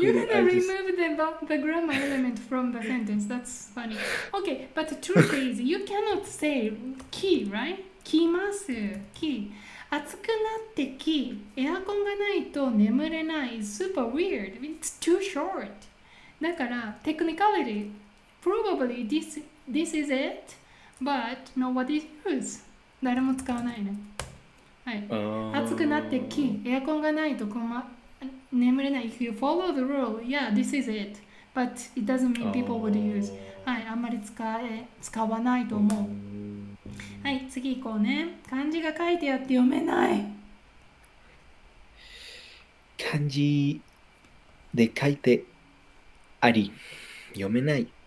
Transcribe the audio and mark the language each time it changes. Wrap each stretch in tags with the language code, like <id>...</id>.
<en>You cannot remove the grammar element from the sentence. That's funny. OK, but the truth is, you cannot say key, right?</en> <ja>来ます、key。暑くなってき、エアコンがないと眠れない。</ja> <en>Super weird. It's too short.</en> <ja>だから、</ja> <en>technicality. Probably this is it. But nobody uses.</en> <ja>誰も使わないね。はい。暑くなってき、エアコンがないと眠れない。</ja> <en>If you follow the rule, yeah, this is it. But it doesn't mean people would use.</en> <ja>はい。あんまり使わないと思う。はい、次行こうね。漢字が書いてあって読めない。漢字で書いてあり読めない。</ja>